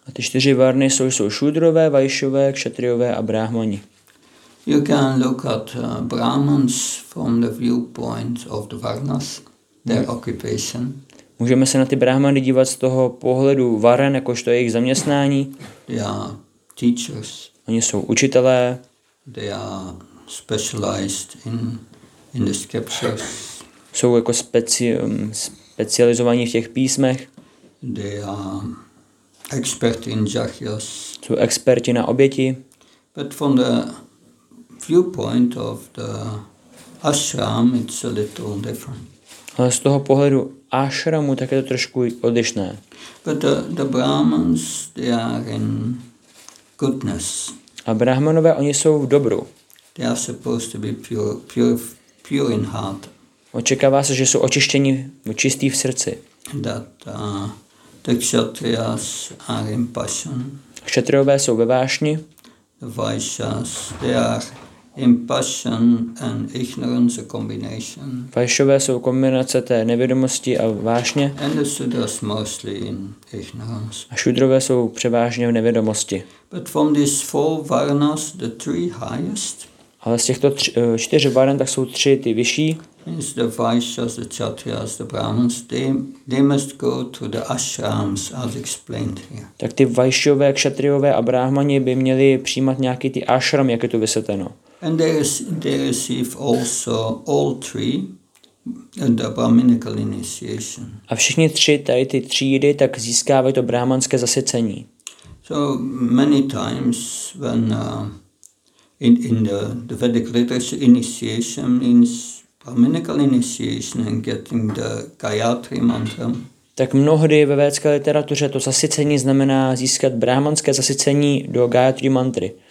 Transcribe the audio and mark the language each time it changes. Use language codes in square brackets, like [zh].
[cs] A ty čtyři varny jsou šudrové, vaishové, kshatriyové a brahmani. [en] You can look at brahmans from the viewpoint of the varnas, their occupation. [cs] Můžeme se na ty brahmany dívat z toho pohledu varan, jakožto jejich zaměstnání. [en] They are teachers. [cs] Oni jsou učitelé. [en] They are specialized in the scriptures. [cs] Jsou jako specializovaní v těch písmech. [en] They are expert in jachyas. [cs] Jsou experti na oběti. [en] But from the viewpoint of the ashram, it's a little different. [cs] Ale z toho pohledu ashramu tak je to trošku odlišné. [en] But the brahmans, they are in goodness. [cs] A brahmanové, oni jsou v dobru. [en] They are supposed to be pure in heart. [cs] Očekává se, že jsou očištění, čistí v srdci. [en] That the kshatriyas are in passion. [cs] Kshatriyové jsou ve vášni. [en] The vaishas, they are in passion and ignorance, a combination. [cs] Vaishové jsou kombinace té nevědomosti a vášně. [en] And the sudras mostly in ignorance. [cs] A šudrové jsou převážně v nevědomosti. [en] But from these four varnas, the three highest. [cs] Ale z těchto čtyř varn, tak jsou tři ty vyšší. [en] Means the vaishas, the kshatriyas, the brahmans, they must go to the ashrams as explained here. [cs] Tak ty vaishové, kshatriyové a brahmani by měli přijímat nějaký ty ashram, jak je to vysvětleno. [en] And they receive also all three and the brahminical initiation. [cs] A všichni tři tady ty třídy tak získávají to brahmanské zasvěcení. [en] So many times when in the Vedic literature, initiation means brahminical initiation and getting the Gayatri mantra. [cs] Tak mnohdy ve védské literatuře to zasvěcení znamená získat brahmanské zasvěcení do Gayatri mantry.